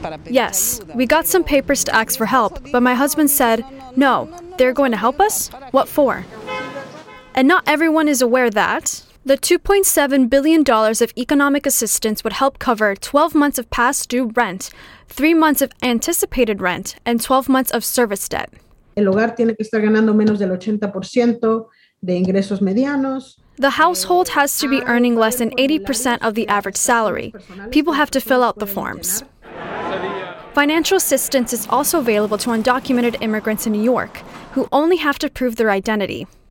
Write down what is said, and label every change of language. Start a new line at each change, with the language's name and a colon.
English: Yes, we got some papers to ask for help, but my husband said, no, they're going to help us? What for? And not everyone is aware that the $2.7 billion of economic assistance would help cover 12 months of past due rent, 3 months of anticipated rent, and 12 months of service debt.
Spanish: El hogar tiene que estar ganando menos del 80% de ingresos medianos.
English: The household has to be earning less than 80% of the average salary. People have to fill out the forms. Financial assistance is also available to undocumented immigrants in New York who only have to prove their identity.